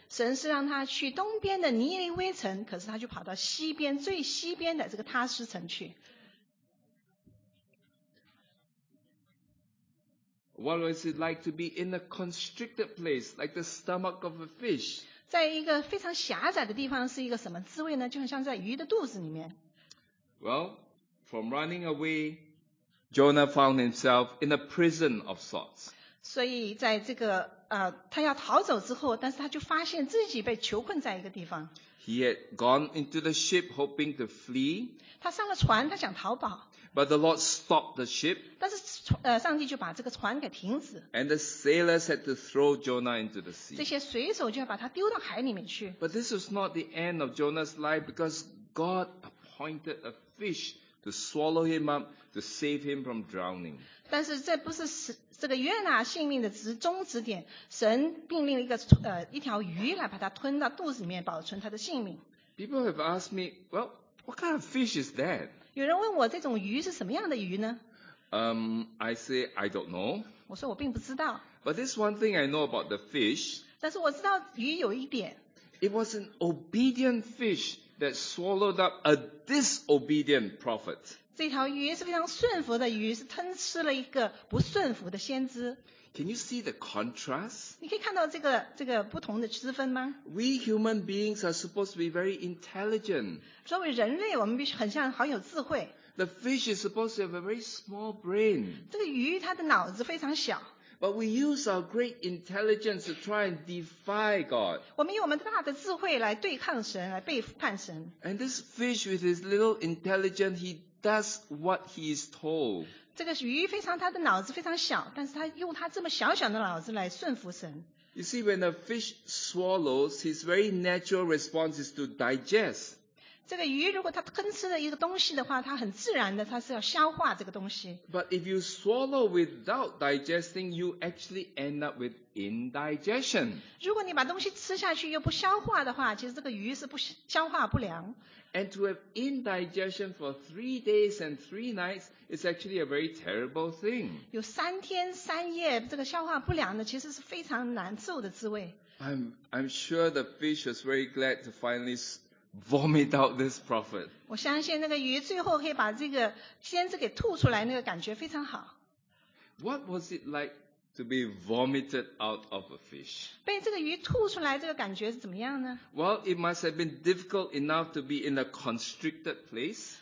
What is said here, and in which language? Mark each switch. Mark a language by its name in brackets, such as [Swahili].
[Chinese] 神是让他去东边的尼尼微城，可是他就跑到西边最西边的这个他斯城去。 [English] What was it like to be in a constricted place, like the stomach of a fish? [Chinese] 在一个非常狭窄的地方是一个什么滋味呢？就很像在鱼的肚子里面。 [English] Well, from running away, Jonah found himself in a prison of sorts. [Chinese] 所以在这个他要逃走之后，但是他就发现自己被囚困在一个地方。 [English] He had gone into the ship hoping to flee. [Chinese] 他上了船，他想逃跑。 [English] But the Lord stopped the ship. [Chinese] 但是上帝就把这个船给停止。 [English] And the sailors had to throw Jonah into the sea. [Chinese] 这些水手就要把他丢到海里面去。 [English] But this was not the end of Jonah's life because God appointed a fish to swallow him up to save him from drowning. [Chinese] 但是这不是这个约拿性命的终止点，神命令了一条鱼来把它吞到肚子里面，保存它的性命。 [English] People have asked me, well, what kind of fish is that? [Chinese] 有人问我这种鱼是什么样的鱼呢？ [English] I say I don't know. [Chinese] 我说我并不知道。 [English] But this one thing I know about the fish. [Chinese] 但是我知道鱼有一点。 [English] It was an obedient fish that swallowed up a disobedient prophet. [Chinese] 这条鱼是非常顺服的鱼，是吞吃了一个不顺服的先知。 [English] Can you see the contrast? [Chinese] 你可以看到这个不同的之分吗？ [English] We human beings are supposed to be very intelligent. [Chinese] 作为人类，我们必须很有智慧。 [English] The fish is supposed to have a very small brain. [Chinese] 这个鱼它的脑子非常小。 [English] But we use our great intelligence to try and defy God. [Chinese] 我们用我们大的智慧来对抗神，来背叛神。 [English] And this fish with his little intelligence, he does what he is told. [Chinese] 这个鱼非常，他的脑子非常小，但是他用他这么小小的脑子来顺服神。 [English] You see, when a fish swallows, his very natural response is to digest. [Chinese] 这个鱼如果它吞吃了一个东西的话，它很自然的，它是要消化这个东西。 [English] But if you swallow without digesting, you actually end up with indigestion. [Chinese] 如果你把东西吃下去又不消化的话，其实这个鱼是不消化不良。 [English] And to have indigestion for 3 days and 3 nights is actually a very terrible thing. [Chinese] 有三天三夜这个消化不良的，其实是非常难受的滋味。 [English] I'm sure the fish was very glad to finally vomit out this prophet. [Chinese] 我相信那个鱼最后可以把这个先知给吐出来，那个感觉非常好。 [English] What was it like to be vomited out of a fish? [Chinese] 被这个鱼吐出来，这个感觉是怎么样呢？ [English] Well, it must have been difficult enough to be in a constricted place.